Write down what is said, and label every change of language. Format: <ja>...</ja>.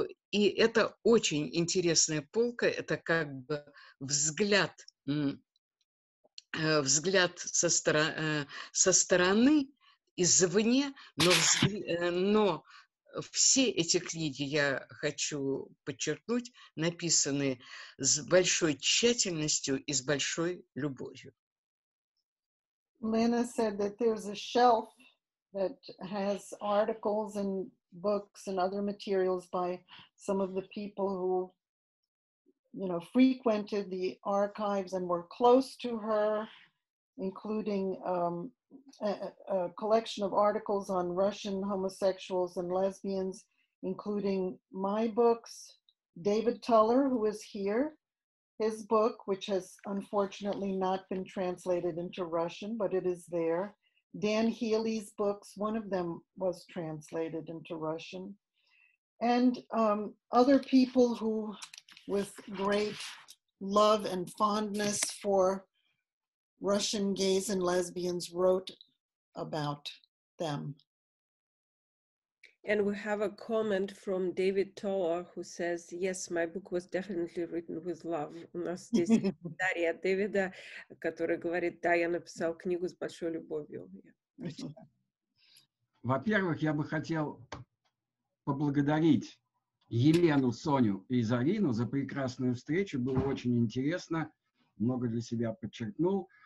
<ru>И это очень интересная полка, это как бы взгляд со стороны, извне, но все эти книги, я хочу подчеркнуть, написаны с большой тщательностью и с большой любовью.</ru> <en>Lena said that there's a shelf that has articles and books and other materials by some of the people who, you know, frequented the archives and were close to her, including a collection of articles on Russian homosexuals and lesbians, including my books, David Tuller, who is here, his book, which has unfortunately not been translated into Russian, but it is there. Dan Healy's books, one of them was translated into Russian. And other people who, with great love and fondness for Russian gays and lesbians, wrote about them. And we have a comment from David Toller, who says, yes, my book was definitely written with love.</en> <ru>У нас здесь комментарий от Дэвида, который говорит, да, я написал книгу с большой любовью. Во-первых, я бы хотел поблагодарить Елену, Соню и Зарину за прекрасную встречу. Было очень интересно, много для себя подчеркнул.</ru>